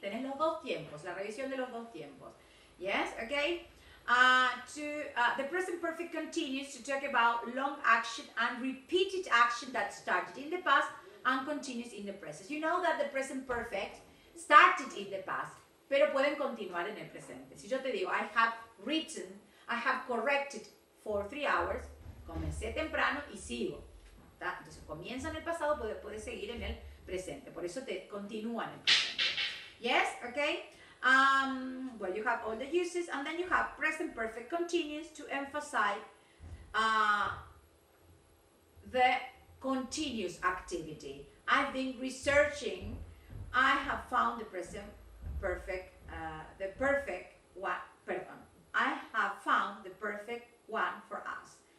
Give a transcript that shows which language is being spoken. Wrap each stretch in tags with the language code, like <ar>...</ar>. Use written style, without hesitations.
<es>Tenés los dos tiempos, la revisión de los dos tiempos.</es> <en>Yes, okay. The present perfect continues to talk about long action and repeated action that started in the past and continues in the present. You know that the present perfect started in the past,</en> <es>pero pueden continuar en el presente. Si yo te digo,</es> <en>I have written, I have corrected for 3 hours,</en> <es>comencé temprano y sigo. Entonces comienza en el pasado, puede seguir en el presente. Por eso te continúa en el presente.</es> <en>Yes, okay. Well, you have all the uses, and then you have present perfect continuous to emphasize the continuous activity. I've been researching. I have found the perfect one for us.</en>